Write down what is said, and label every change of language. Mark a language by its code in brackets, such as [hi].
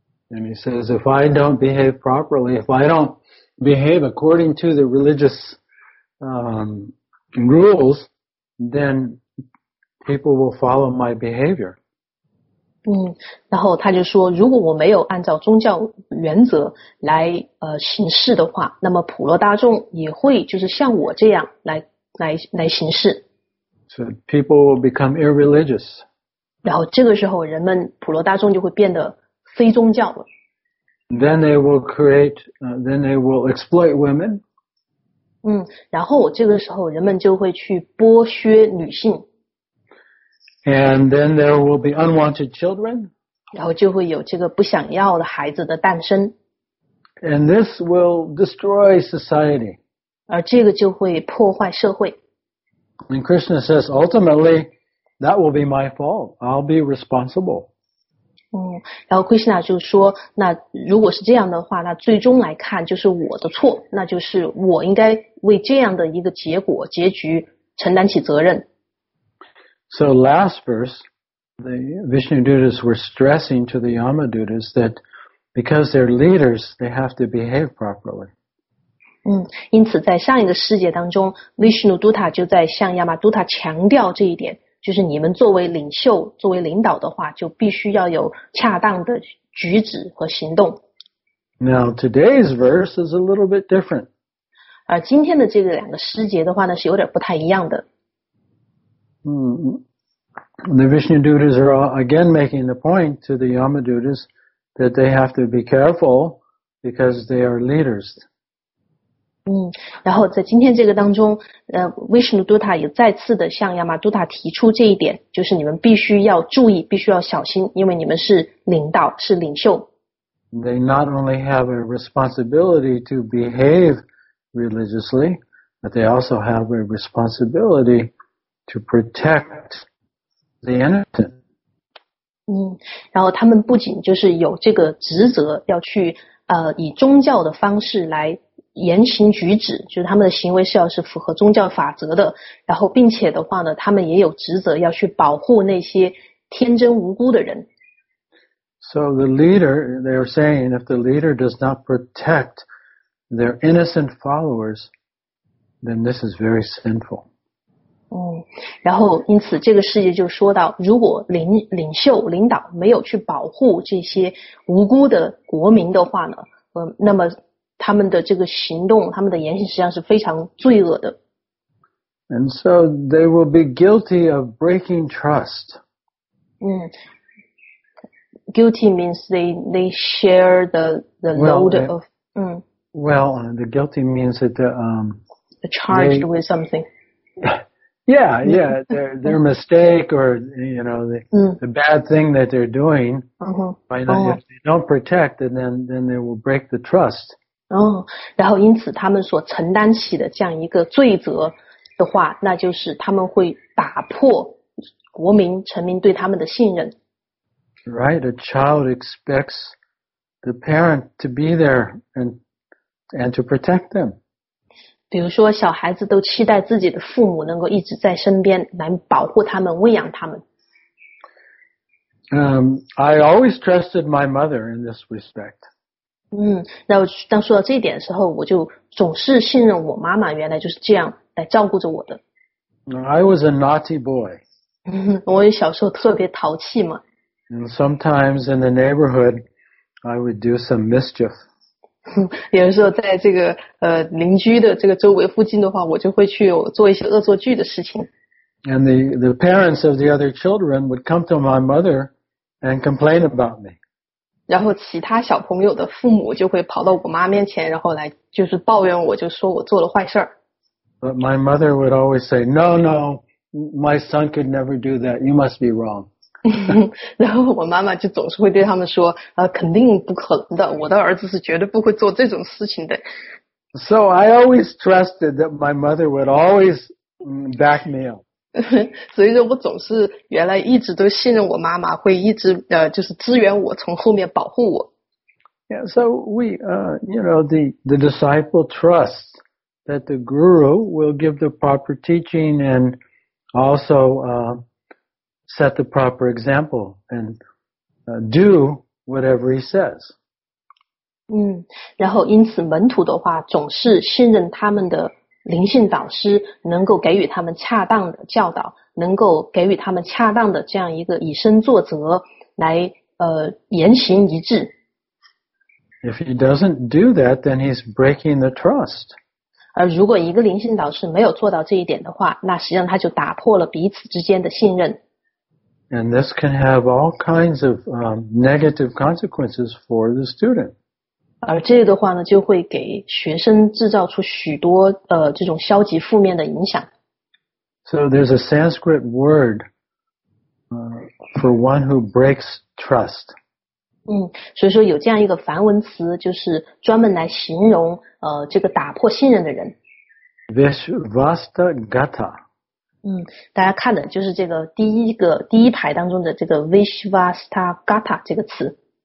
[en] And he says, if I don't behave properly, if I don't behave according to the religious, rules, then people will follow my behavior. [zh] 然后他就说，如果我没有按照宗教原则来行事的话，那么普罗大众也会就是像我这样来行事。 [en] So people will become irreligious. [zh] 然后这个时候人们普罗大众就会变得非宗教了。 [en] Then they will exploit women. [zh] 然后这个时候人们就会去剥削女性。 [en] And then there will be unwanted children. [zh] 然后就会有这个不想要的孩子的诞生。 [en] And this will destroy society. [zh] 而这个就会破坏社会。 [en] And Krishna says, ultimately, that will be my fault. I'll be responsible. [zh] 然后 Krishna 就说，那如果是这样的话，那最终来看就是我的错，那就是我应该为这样的一个结果、结局承担起责任。 [en] So last verse, the Vishnudutas were stressing to the Yamadutas that because they're leaders, they have to behave properly. [zh] 因此在上一个世界当中 ,Vishnudutta 就在向 Yamadutta 强调这一点，就是你们作为领袖、作为领导的话，就必须要有恰当的举止和行动。 [en] Now today's verse is a little bit different. [zh] 而今天的这个两个世界的话呢，是有点不太一样的。 [en] The Vishnudutas are again making the point to the Yamadutas that they have to be careful because they are leaders. [zh] 然后在今天这个当中Vishnudutta 也再次的向 Yamadutta 提出这一点，就是你们必须要注意，必须要小心，因为你们是领导，是领袖。 [en] They not only have a responsibility to behave religiously, but they also have a responsibility to protect the innocent. [zh] 然后他们不仅就是有这个职责要去以宗教的方式来言行举止，就是他们的行为是要是符合宗教法则的，然后并且的话呢，他们也有职责要去保护那些天真无辜的人。 [en] So the leader, they are saying, if the leader does not protect their innocent followers, then this is very sinful. [zh] 然后因此这个世界就说到，如果领袖领导没有去保护这些无辜的国民的话呢，那么他们的这个行动，他们的言行实际上是非常罪恶的。 [en] And so they will be guilty of breaking trust. Guilty means they share the load of. The guilty means that charged they, with something. Yeah, their mistake or, you know, the bad thing that they're doing, if they don't protect, then they will break the trust. [zh] 然后因此他们所承担起的这样一个罪责的话，那就是他们会打破国民、臣民对他们的信任。 [en] Right, a child expects the parent to be there and to protect them. [zh] 比如说小孩子都期待自己的父母能够一直在身边来保护他们、喂养他们。 [en] I always trusted my mother in this respect. [zh] 当说到这一点的时候，我就总是信任我妈妈原来就是这样来照顾着我的。 [en] I was a naughty boy. [zh] 我小时候特别淘气嘛。 [en] And sometimes in the neighborhood, I would do some mischief. [zh] 有时候在这个邻居的这个周围附近的话，我就会去做一些恶作剧的事情。 [en] And the parents of the other children would come to my mother and complain about me. [zh] 然后其他小朋友的父母就会跑到我妈面前，然后来就是抱怨我，就说我做了坏事。 [en] But my mother would always say, "No, no, my son could never do that. You must be wrong." [zh] 然后我妈妈就总是会对他们说，肯定不可能的，我的儿子是绝对不会做这种事情的。 [en] So I always trusted that my mother would always back me up. [zh] 所以说我总是原来一直都信任我妈妈，会一直就是支援我，从后面保护我。 [en] Yeah, so we, you know, the disciple trusts that the guru will give the proper teaching and also set the proper example and do whatever he says. [zh] 然后因此门徒的话总是信任他们的灵性导师能够给予他们恰当的教导，能够给予他们恰当的这样一个以身作则来言行一致。 [en] If he doesn't do that, then he's breaking the trust. [zh] 而如果一个灵性导师没有做到这一点的话，那实际上他就打破了彼此之间的信任。 [en] And this can have all kinds of negative consequences for the student. [zh] 而这个的话呢，就会给学生制造出许多这种消极负面的影响。 [en] So there's a Sanskrit word for one who breaks trust. [zh] 所以说有这样一个梵文词，就是专门来形容这个打破信任的人。 [sa] Vishvastagata。 [zh] 大家看的就是这个第一排当中的这个 Vishvastagata 这个词。